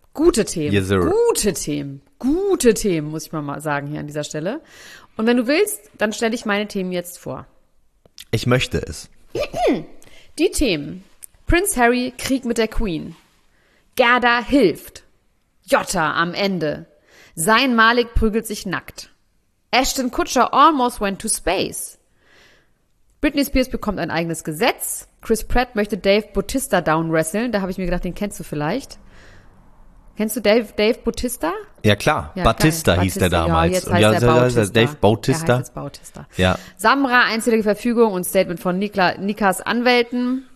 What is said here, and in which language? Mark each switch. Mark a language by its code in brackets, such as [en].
[de] Gute Themen, muss ich mal sagen hier an dieser Stelle. Und wenn du willst, dann stelle ich meine Themen jetzt vor. Ich möchte es. Die Themen: Prinz Harry, Krieg mit der Queen. Gerda hilft. Jotta am Ende. Zayn Malik prügelt sich nackt. [en] Ashton Kutcher almost went to space. [de] Britney Spears bekommt ein eigenes Gesetz. Chris Pratt möchte Dave Bautista downwrestlen. Da habe ich mir gedacht, den kennst du vielleicht. Kennst du Dave Bautista? Ja, klar. Ja, Bautista hieß der damals. Ja, jetzt heißt er Bautista. Dave Bautista. Er heißt jetzt Bautista. Ja. Samra, einzige Verfügung und Statement von Nikas Anwälten.